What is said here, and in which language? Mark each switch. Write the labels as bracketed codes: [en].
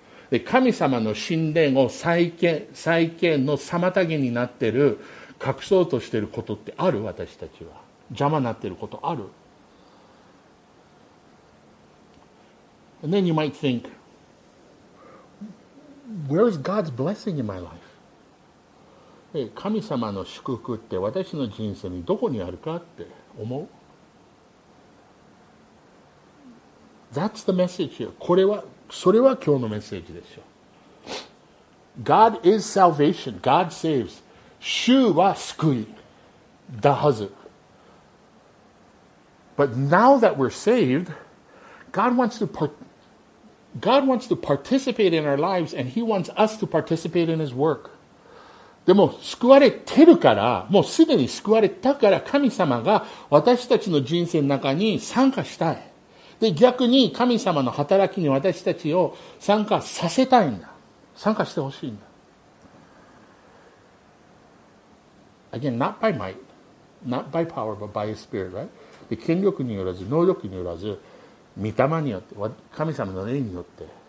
[ja] で、神様の神殿を再建の妨げになってる、隠そうとしてることってある私たちは。邪魔になってることある [en] And then you might think,Where is God's blessing in my life? [ja] Hey, 神様の祝福って私の人生にどこにあるかって思う? [en] That's the message here. [ja] それは今日のメッセージでしょ。 [en] God is salvation. God saves. [ja] 主は救いだはず。 [en] But now that we're saved, God wants to participate in our lives and he wants us to participate in his work. [ja] でも救われてるから、もうすでに救われたから、神様が私たちの人生の中に参加したい。で、逆に神様の働きに私たちを参加させたいんだ。参加してほしいんだ。 [en] Again, not by might, not by power, but by spirit, right? [ja] で、権力によらず、能力によらず、御霊によって、神様の霊によって。